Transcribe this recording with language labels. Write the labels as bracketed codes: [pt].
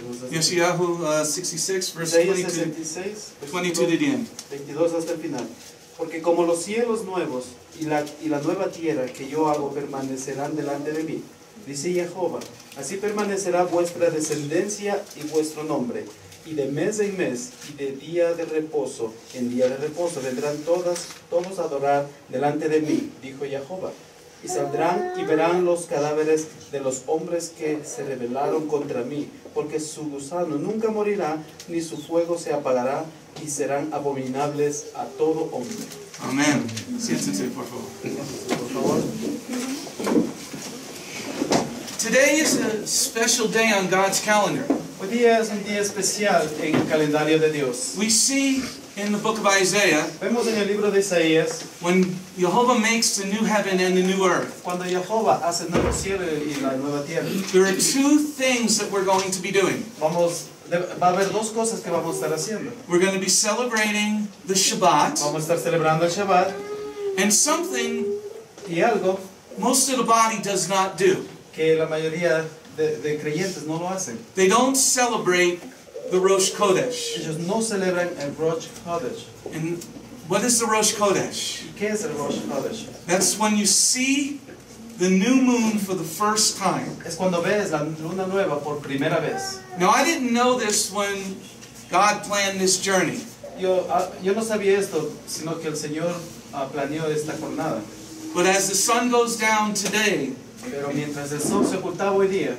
[en] Yes, Yahoo, 66, verse 22 to the end. [es] 22 hasta el final. Porque como los cielos nuevos y la nueva tierra que yo hago permanecerán delante de mí, dice Jehová, así permanecerá vuestra descendencia y vuestro nombre. Y de mes en mes, y de día de reposo, en día de reposo, vendrán todos a adorar delante de mí, dijo Jehová. Y saldrán y verán los cadáveres de los hombres que se rebelaron contra mí, porque su gusano nunca morirá, ni su fuego se apagará, y serán abominables a todo hombre. Amén. Siéntense, por favor. Por favor. [en] Today is a special day on God's calendar. [es] Hoy día es un día especial en el calendario de Dios. [en] We see in the book of Isaiah, [es] vemos en el libro de Isaías, [en] when Jehovah makes the new heaven and the new earth, [es] cuando Jehovah hace el nuevo cielo y la nueva tierra, [en] there are two things that we're going to be doing. [es] Va a haber dos cosas que vamos a estar haciendo. [en] We're going to be celebrating the Shabbat. [es] Vamos a estar celebrando el Shabbat. [en] And something, [es] y algo, [en] most of the body does not do. [es] Que la mayoría de creyentes no lo hacen. [en] They don't celebrate the Rosh Kodesh. [es] Ellos no celebran el Rosh Kodesh. [en] And what is the Rosh Kodesh? [es] ¿Qué es el Rosh Kodesh? [en] That's when you see the new moon for the first time. [es] Es cuando ves la luna nueva por primera vez. [en] Now I didn't know this when God planned this journey. [es] Yo no sabía esto, sino que el Señor planeó esta jornada. [en] But as the sun goes down today, [es] pero mientras el sol se ocultaba hoy día,